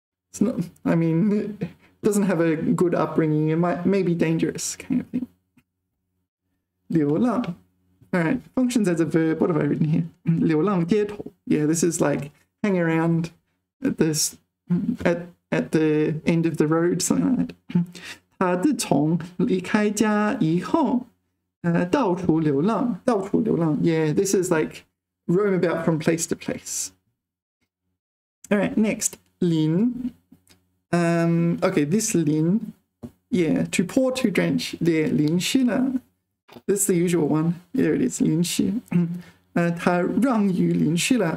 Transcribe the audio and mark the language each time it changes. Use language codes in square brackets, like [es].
[en] It's not, I mean, it doesn't have a good upbringing, it might, maybe dangerous kind of thing. 流浪, alright, functions as a verb, what have I written here? [zh] 流浪街头, [en] yeah, this is like hang around at the end of the road, something like that. [zh] 他自从离开家以后到处流浪，到处流浪。 [en] Yeah, this is like roam about from place to place. All right, next, 淋.Okay, this 淋. Yeah, to pour, to drench. 淋湿了.This is the usual one. There it is, [zh] 淋湿.他让雨淋湿了.